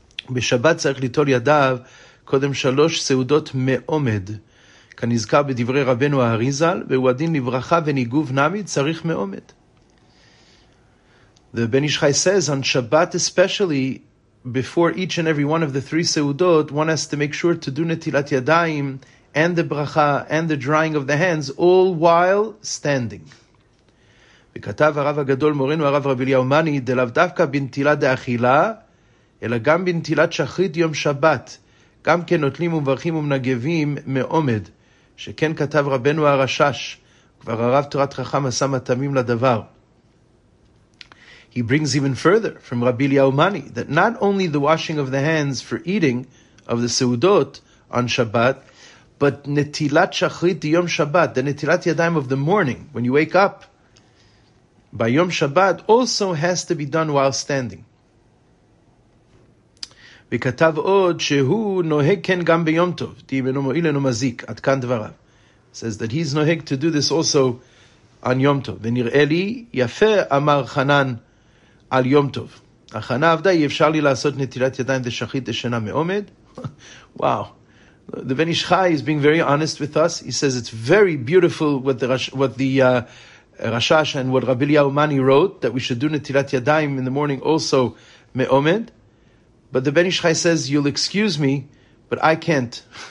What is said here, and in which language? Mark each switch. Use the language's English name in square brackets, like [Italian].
[Hebrew] בשבת צריך ליטול ידיו קודם 3 סעודות מעומד, כנזכר בדברי רבנו האריזל, והוא הדין לברכה וניגוב נמי, צריך מעומד. [English] ובן איש חי says, on Shabbat especially, before each and every one of the 3 סעודות, one has to make sure to do נטילת ידיים, and the ברכה, and the drying of the hands, all while standing. [Hebrew] וכתב הרב הגדול מורנו הרב רבי אליהו מני, דלאו דווקא בנטילה דאכילה, אלא גם בנטילת שחרית יום שבת, גם כן נוטלים ומברכים ומנגבים מעומד, שכן כתב רבנו הרשש, כבר הרב תורת חכם עשה מתאמים לדבר. [English] He brings even further from רבי אליהו מני, that not only the washing of the hands for eating of the סעודות on Shabbat, but [Hebrew] נטילת שחרית יום שבת, [English] the נטילת ידיים of the morning, when you wake up, by Yom Shabbat, also has to be done while standing. [Hebrew] וכתב עוד שהוא נוהג כן גם ביום טוב, דיב אינו מועיל אינו מזיק, עד כאן דבריו. [English] Says that he's נוהג to do this also on Yom Tov. [Hebrew] ונראה לי יפה אמר חנן על יום טוב. החנה עבדה, אי אפשר לי לעשות נטילת ידיים דשחית דשנה מעומד. [English] Wow. The Ben Ish Chai is being very honest with us. He says it's very beautiful what the Rashash and what Rabbi Eliyahu Mani wrote, that we should do netilat yadayim in the morning also me'omed. But the Ben Ish Chai says, you'll excuse me, but I can't.